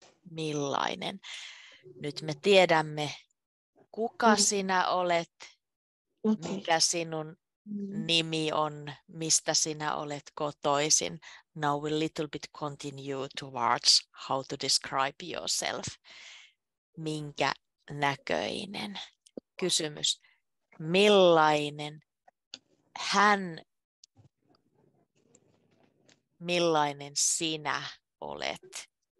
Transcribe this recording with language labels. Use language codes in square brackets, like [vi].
[fi] Millainen. Nyt me tiedämme, kuka sinä olet, mikä sinun nimi on, mistä sinä olet kotoisin. [en] Now we little bit continue towards how to describe yourself. [fi] Minkä näköinen? Kysymys. Millainen hän, millainen sinä olet?